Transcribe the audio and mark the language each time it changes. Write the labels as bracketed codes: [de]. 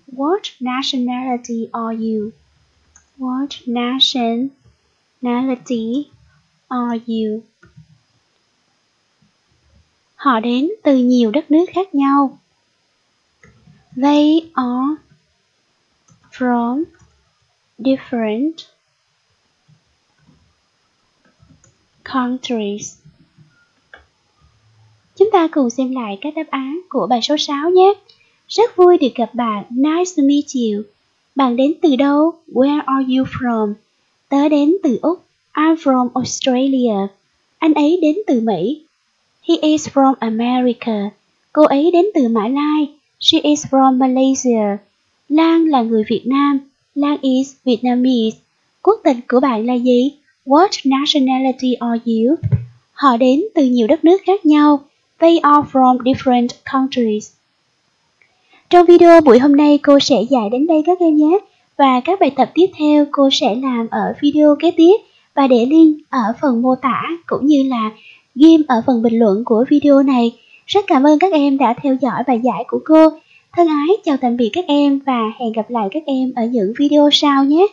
[en] What nationality are you? What nationality are you? [vi] Họ đến từ nhiều đất nước khác nhau. [en] They are from different countries. [vi] Chúng ta cùng xem lại các đáp án của bài số 6 nhé. Rất vui được gặp bạn. [en] Nice to meet you. [vi] Bạn đến từ đâu? [en] Where are you from? [vi] Tớ đến từ Úc. [en] I'm from Australia. [vi] Anh ấy đến từ Mỹ. [en] He is from America. [vi] Cô ấy đến từ Mã Lai. [en] She is from Malaysia. [vi] Lan là người Việt Nam. [en] Lan is Vietnamese. [vi] Quốc tịch của bạn là gì? [en] What nationality are you? [vi] Họ đến từ nhiều đất nước khác nhau. [en] They are from different countries. [vi] Trong video buổi hôm nay, cô sẽ dạy đến đây các em nhé. Và các bài tập tiếp theo cô sẽ làm ở video kế tiếp và để link ở phần mô tả cũng như là ghim ở phần bình luận của video này. Rất cảm ơn các em đã theo dõi bài giải của cô. Thân ái chào tạm biệt các em và hẹn gặp lại các em ở những video sau nhé.